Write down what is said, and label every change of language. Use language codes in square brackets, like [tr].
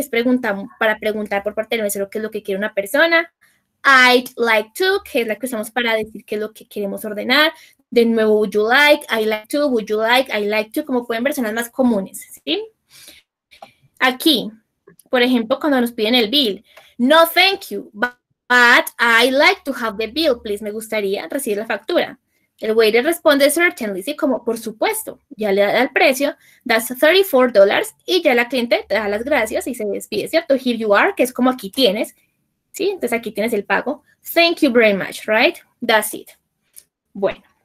[es] Es pregunta para preguntar por parte del mesero qué es lo que quiere una persona. I'd like to, que es la que usamos para decir qué es lo que queremos ordenar. [en] De nuevo, would you like? I like to. Would you like? I like to. [es] Como pueden ver, son las más comunes, ¿sí? Aquí, por ejemplo, cuando nos piden el bill. [en] No, thank you, but I like to have the bill, please. [es] Me gustaría recibir la factura. El waiter responde, certainly, sí, como por supuesto. Ya le da el precio, that's $34, y ya la cliente te da las gracias y se despide, ¿cierto? Here you are, que es como aquí tienes, ¿sí? Entonces aquí tienes el pago. [en] Thank you very much, right? That's it. Bueno.